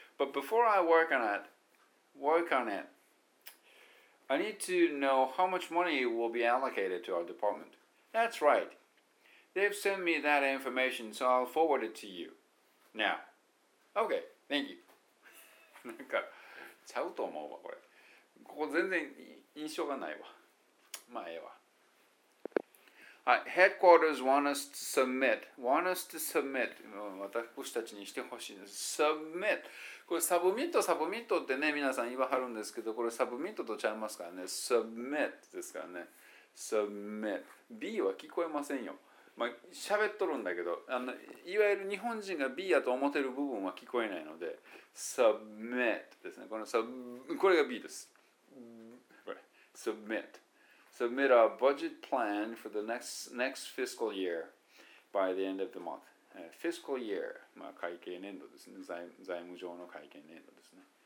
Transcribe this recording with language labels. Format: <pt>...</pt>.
<en>But before I work on it, I need to know how much money will be allocated to our department. That's right. They've sent me that information, so I'll forward it to you. Now. Okay, thank you.</en> <ja>なんか、ちゃうと思うわ、これここ全然印象がないわ。まあええわ。はい、</ja> <en>Headquarters want us to submit. Want us to submit.</en> <ja>私たちにしてほしいです。 Submit. これ、Submit、Submit ってね、皆さん言わはるんですけど、これ、Submit とちゃいますからね。 Submit ですからね。Submit。 B は聞こえませんよ。まあ、喋っとるんだけど、いわゆる日本人が B やと思ってる部分は聞こえないので、Submit ですね。この これが B です。Submit。</ja> <en>Submit a budget plan for the next fiscal year by the end of the month. Fiscal year.</en> <ja>まあ会計年度ですね。財務上の会計年度ですね。</ja>